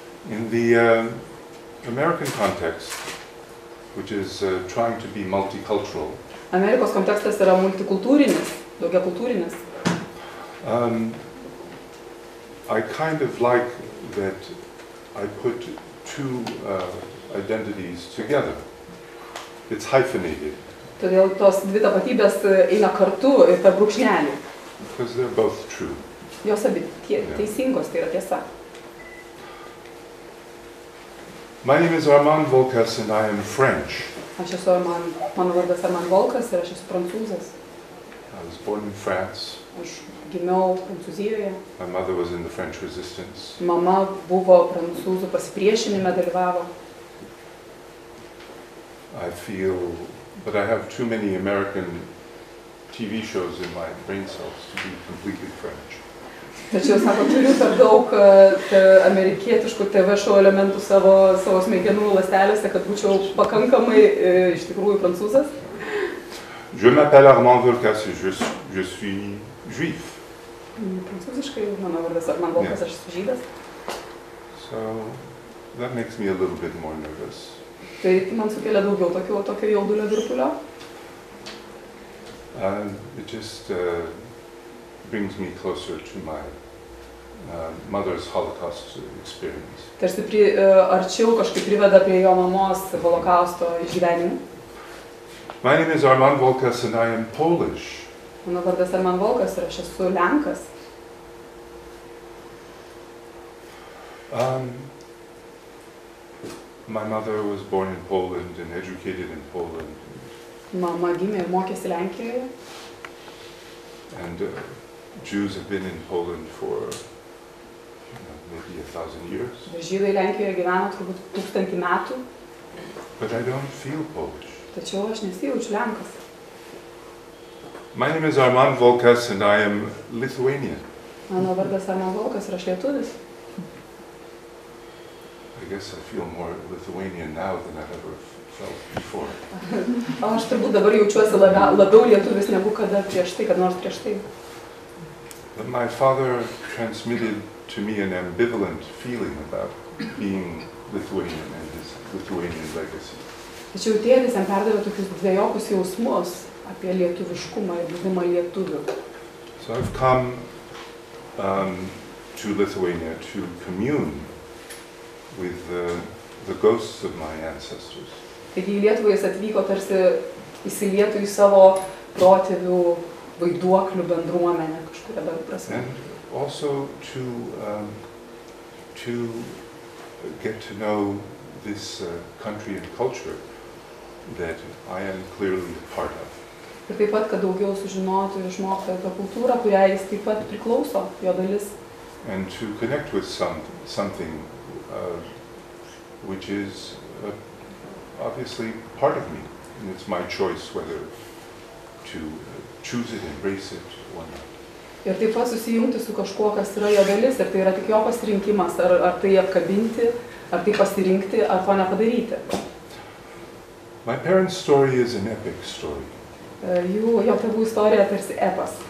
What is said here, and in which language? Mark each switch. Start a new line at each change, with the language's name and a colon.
English: In the American context, which is trying to be multicultural.
Lithuanian: Amerikos kontekstas yra multikultūrinis, daugiakultūrinis.
English: I kind of like that I put two identities together. It's hyphenated.
Lithuanian: Todėl tos dvi tapatybės eina kartu ir per brūkšnelį.
English: Because they're both true.
Lithuanian: Jos abi teisingos, tai yra tiesa.
English: My name is Armand Volkas and I am French.
Lithuanian: Aš esu mano vardas Armand Volkas ir aš esu prancūzas.
English: I was born in France.
Lithuanian: Aš gimiau Prancūzijoje.
English: My mother was in the French resistance.
Lithuanian: Mama buvo prancūzų pasipriešinime dalyvavo.
English: I feel, but I have too many American TV shows in my brain cells to be completely French.
Lithuanian: Tačiau, sako, turiu per daug amerikietiškų TV šou elementų savo smegenų lastelėse, kad būčiau pakankamai iš tikrųjų prancūzas.
French: Je m'appelle Armand Volkas, je suis juif.
Lithuanian: Prancūziškai, mano vardas Armand Volkas, aš esu žydas.
English: So, that makes me a little bit more nervous.
Lithuanian: Tai man sukelia daugiau tokio, tokio jaudulio virpulio.
English: It just brings me closer to my mother's Holocaust experience.
Lithuanian: Tarsi pri, arčiau kažkaip priveda prie jo mamos Holokausto išgyvenimų.
English: My name is Armand Volkas and I am Polish.
Lithuanian: Mano vardas Armand Volkas ir aš esu Lenkas.
English: My mother was born in Poland and educated in Poland.
Lithuanian: Mama gimė ir mokėsi Lenkijoje.
English: And Jews have been in Poland for, you know, maybe 1,000 years.
Lithuanian: Žydai Lenkijoje gyveno turbūt 1000 metų.
English: But I don't feel Polish.
Lithuanian: Tačiau aš nesijaučiu Lenkas.
English: My name is Armand Volkas and I am Lithuanian.
Lithuanian: Mano vardas Armand Volkas ir aš lietuvis.
English: I guess I feel more Lithuanian now than I've ever felt before.
Lithuanian: Aš turbūt dabar jaučiuosi labiau lietuvis negu kada prieš tai, kad nors prieš tai.
English: But my father transmitted to me an ambivalent feeling about being Lithuanian and his Lithuanian legacy.
Lithuanian: Tačiau tėvis jam perdavė tokius dvejokus jausmus apie lietuviškumą ir buvimą lietuviu.
English: So I've come to Lithuania to commune with the ghosts of my ancestors.
Lithuanian: Taigi į Lietuvą jis atvyko tarsi įsilietų į savo protėvių vaiduoklių bendruomenę kažkuria prasme.
English: And also to to get to know this country and culture that I am clearly a part of.
Lithuanian: Ir taip pat, kad daugiau sužinotų ir išmoktų apie kultūrą, kuriai jis taip pat priklauso, jo dalis.
English: And to connect with something which is obviously part of me, and it's my choice whether to choose it, embrace it or not.
Lithuanian: Ir taip pat susijungti su kažkuo, kas yra jo dalis, ir tai yra tik jo pasirinkimas, ar tai apkabinti, ar tai pasirinkti, ar to nepadaryti.
English: My parents' story is an epic story.
Lithuanian: Jo tėvų istorija tarsi epas.